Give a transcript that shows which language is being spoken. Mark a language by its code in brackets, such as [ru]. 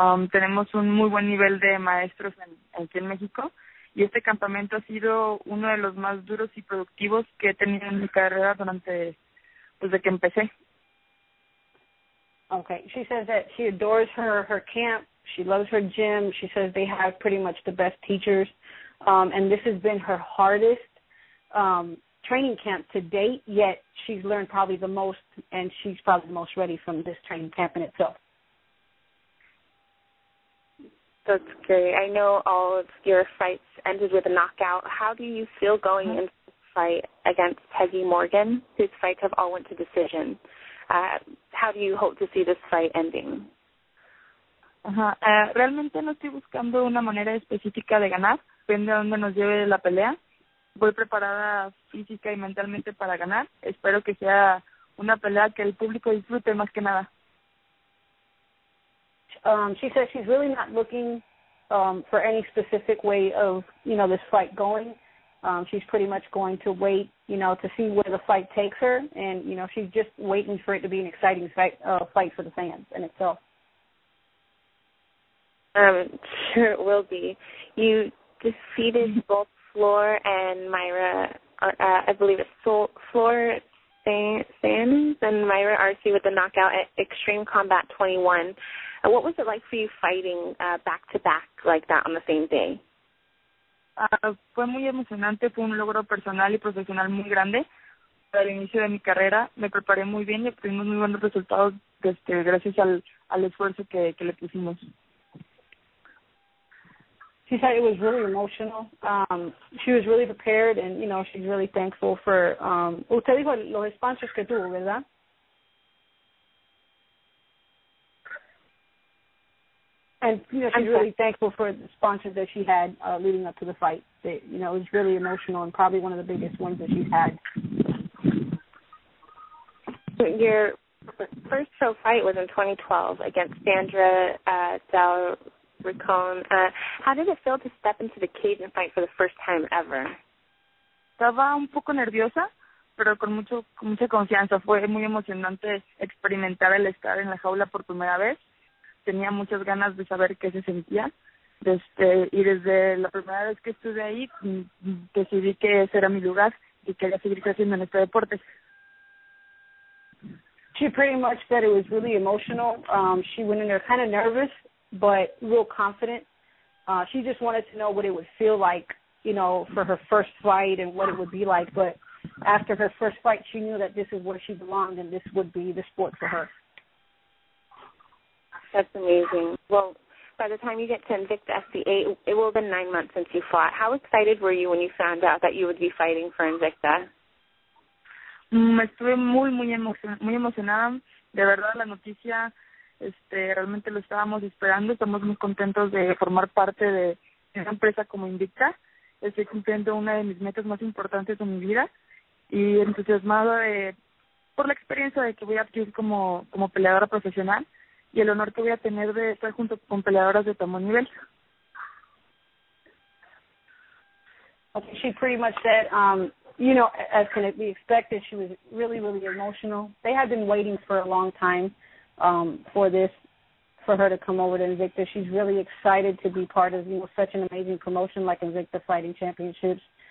[es] Tenemos un muy buen nivel de maestros aquí en México y este campamento ha sido uno de los más duros y productivos que he tenido en mi carrera desde que empecé. [en] Okay, she says that she adores her camp, she loves her gym, she says they have pretty much the best teachers, and this has been her hardest training camp to date, yet she's learned probably the most and she's probably the most ready from this training camp in itself. That's great. I know all of your fights ended with a knockout. How do you feel going into the fight against Peggy Morgan, whose fights have all went to decision? How do you hope to see this fight ending? [es] Realmente no estoy buscando una manera específica de ganar. Depende de dónde nos lleve la pelea. Voy preparada física y mentalmente para ganar. Espero que sea una pelea que el público disfrute más que nada. [en] She says she's really not looking for any specific way of, you know, this fight going. She's pretty much going to wait, you know, to see where the fight takes her. And, you know, she's just waiting for it to be an exciting fight for the fans in itself. Sure, it will be. You defeated both Floor and Myra, I believe it's Floor Sands and Myra Arce with the knockout at Extreme Combat 21. What was it like for you fighting back-to-back like that on the same day? [es] Fue muy emocionante. Fue un logro personal y profesional muy grande. Al inicio de mi carrera me preparé muy bien y obtuvimos muy buenos resultados gracias al esfuerzo que le pusimos. [en] She said it was really emotional. She was really prepared and, you know, she's really thankful for... [es] usted dijo los sponsors que tuvo, ¿verdad? [en] And, you know, she's really thankful for the sponsors that she had leading up to the fight. That, you know, it was really emotional and probably one of the biggest ones that she's had. Your first pro fight was in 2012 against Sandra Del Rincon. How did it feel to step into the cage and fight for the first time ever? [es] Estaba un poco nerviosa, pero con mucha confianza. Fue muy emocionante experimentar el estar en la jaula por primera vez. Tenía muchas ganas de saber qué se sentía. Y desde la primera vez que estuve ahí, decidí que ese era mi lugar y quería seguir creciendo en este deporte. [en] She pretty much said it was really emotional. She went in there kind of nervous, but real confident. She just wanted to know what it would feel like, you know, for her first fight and what it would be like. But after her first fight, she knew that this is where she belonged and this would be the sport for her. That's amazing. Well, by the time you get to Invicta SCA, it will have been 9 months since you fought. How excited were you when you found out that you would be fighting for Invicta? [es] Estuve muy, muy, muy emocionada. De verdad, la noticia, realmente lo estábamos esperando. Estamos muy contentos de formar parte de una empresa como Invicta. Estoy cumpliendo una de mis metas más importantes de mi vida y entusiasmada por la experiencia de que voy a adquirir como peleadora profesional. Y el honor que voy a tener de estar junto con peleadoras de tamaño nivel. [en] Okay, she pretty much said, you know, as can it be expected, she was really, really emotional. They had been waiting for a long time for this, for her to come over to Invicta. She's really excited to be part of, you know, such an amazing promotion like Invicta Fighting Championships.